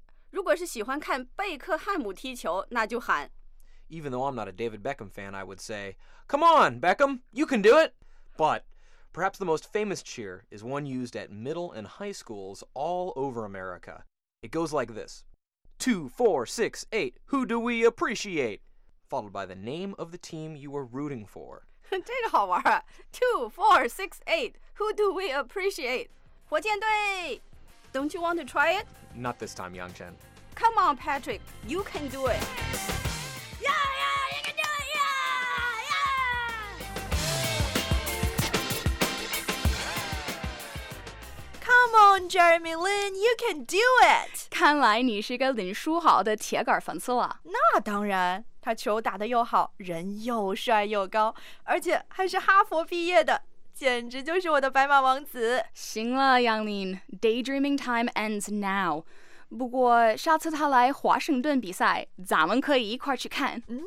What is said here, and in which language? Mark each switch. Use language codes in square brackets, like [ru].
[zh] 如果是喜欢看贝克汉姆踢球，那就喊。 [en] Even though I'm not a David Beckham fan, I would say, Come on, Beckham, you can do it. But perhaps the most famous cheer is one used at middle and high schools all over America. It goes like this. 2, 4, 6, 8, who do we appreciate? Followed by the name of the team you are rooting for. [zh] 这个好玩啊。 [en] 2, 4, 6, 8, who do we appreciate? [zh] 火箭队。 [en] Don't you want to try it? Not this time, Yangchen. Come on, Patrick. You can do it. Yeah, yeah, you can do it, yeah, yeah! Come on, Jeremy Lin, you can do it! [zh] 看来你是一个林书豪的铁杆粉丝了。那当然，他球打得又好，人又帅又高，而且还是哈佛毕业的。简直就是我的白马王子。行了 [en] ，Yang Lin， daydreaming time ends now。 [zh] 不过下次他来华盛顿比赛，咱们可以一块去看。